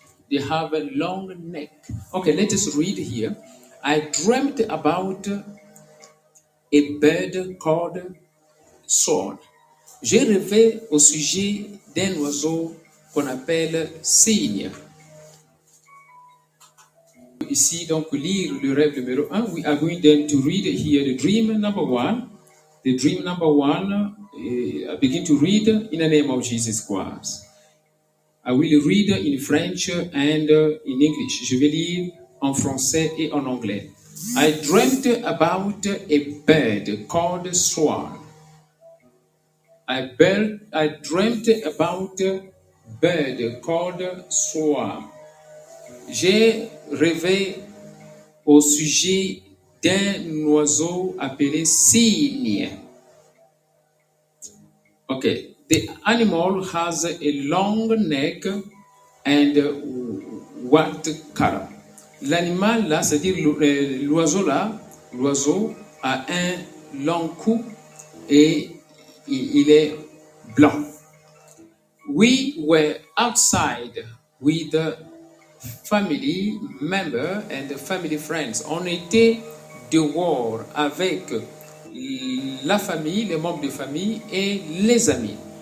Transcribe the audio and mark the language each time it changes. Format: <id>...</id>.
<en>They have a long neck. Okay, let us read here. I dreamt about a bird called soul.</en> <fr>J'ai rêvé au sujet d'un oiseau qu'on appelle cygne. Ici, donc, lire le rêve numéro 1.</fr> <en>We are going then to read here the dream number 1. The dream number 1, I begin to read in the name of Jesus Christ. I will read in French and in English.</en> <fr>Je vais lire en français et en anglais.</fr> <en>I dreamt about a bird called swan. I dreamt about a bird called swan.</en> <fr>J'ai rêvé au sujet d'un oiseau appelé cygne.</fr> <en>Okay, the animal has a long neck and white color.</en> <fr>L'animal là, c'est-à-dire l'oiseau là, l'oiseau a un long cou et il est blanc.</fr> <en>We were outside with the family member and the family friends.</en> <fr>On était dehors avec la famille, les membres de famille et les amis.</fr>